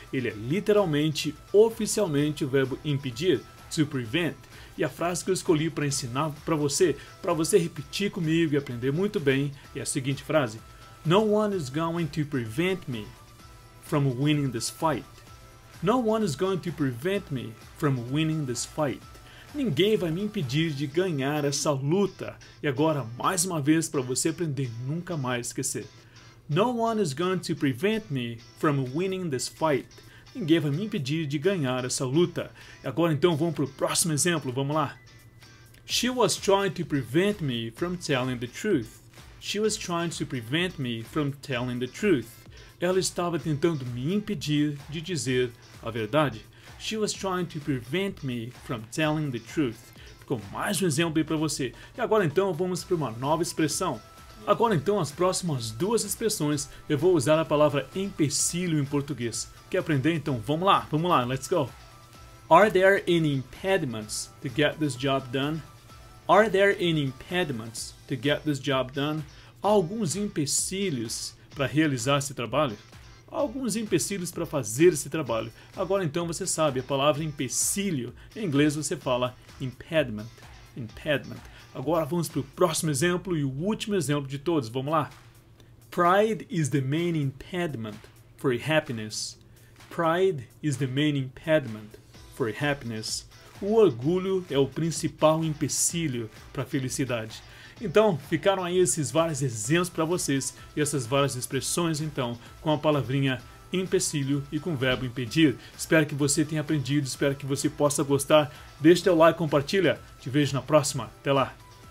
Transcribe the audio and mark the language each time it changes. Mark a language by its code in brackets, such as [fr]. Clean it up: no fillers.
[pt] Ele é literalmente, oficialmente, o verbo impedir, to prevent. E a frase que eu escolhi para ensinar para você repetir comigo e aprender muito bem, é a seguinte frase. [en] No one is going to prevent me from winning this fight. No one is going to prevent me from winning this fight. [pt] Ninguém vai me impedir de ganhar essa luta. E agora, mais uma vez, para você aprender nunca mais esquecer. [en] No one is going to prevent me from winning this fight. [pt] Ninguém vai me impedir de ganhar essa luta. E agora, então, vamos para o próximo exemplo. Vamos lá. [en] She was trying to prevent me from telling the truth. She was trying to prevent me from telling the truth. [pt] Ela estava tentando me impedir de dizer a verdade. [en] She was trying to prevent me from telling the truth. [pt] Ficou mais um exemplo aí para você. E agora então vamos para uma nova expressão. Agora então as próximas duas expressões eu vou usar a palavra empecilho em português. Quer aprender? Então vamos lá, [en] let's go. Are there any impediments to get this job done? Are there any impediments to get this job done? [pt] Há alguns empecilhos para realizar esse trabalho? Alguns empecilhos para fazer esse trabalho. Agora então você sabe, a palavra empecilho, em inglês você fala impediment, impediment. Agora vamos para o próximo exemplo e o último exemplo de todos, vamos lá. [en] Pride is the main impediment for happiness. Pride is the main impediment for happiness. [pt] O orgulho é o principal empecilho para a felicidade. Então, ficaram aí esses vários exemplos para vocês e essas várias expressões, então, com a palavrinha empecilho e com o verbo impedir. Espero que você tenha aprendido, espero que você possa gostar. Deixe teu like, compartilha. Te vejo na próxima. Até lá!